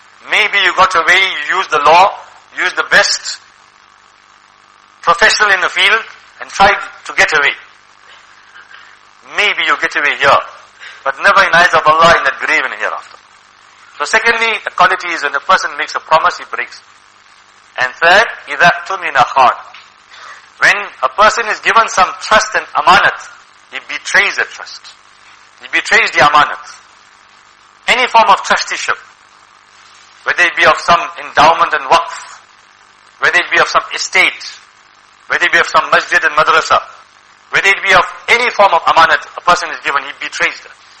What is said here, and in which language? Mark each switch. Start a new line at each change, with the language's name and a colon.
English: Maybe you got away, you use the law, use the best professional in the field and try to get away. Maybe you get away here, but never in the eyes of Allah in that grave and hereafter. So secondly, the quality is when a person makes a promise, he breaks. And third,
Arabic: إِذَا تُمِنَ خَانَ.
English: When a person is given some trust and amanat, he betrays the trust. He betrays the amanat. Any form of trusteeship, whether it be of some endowment and waqf, whether it be of some estate, whether it be of some masjid and madrasa, whether it be of any form of amanat a person is given, he betrays that.